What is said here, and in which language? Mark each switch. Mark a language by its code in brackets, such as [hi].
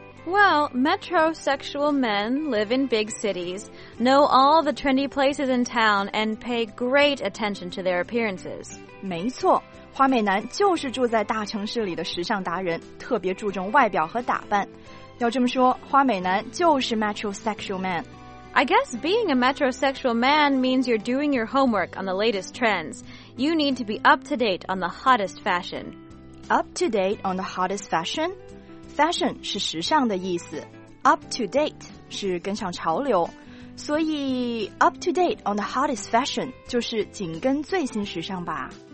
[en] Well, metrosexual men live in big cities, know all the trendy places in town, and pay great attention to their appearances. [zh] 没错，花美男就是住在大城市里的时尚达人，特别注重外表和打扮。要这么说，花美男就是 metrosexual man. [en] I guess being a metrosexual man means you're doing your homework on the latest trends. You need to be up to date on the hottest fashion. Up to date on the hottest fashion? [zh] Fashion 是时尚的意思， up to date 是跟上潮流，所以 up to date on the hottest fashion 就是紧跟最新时尚吧。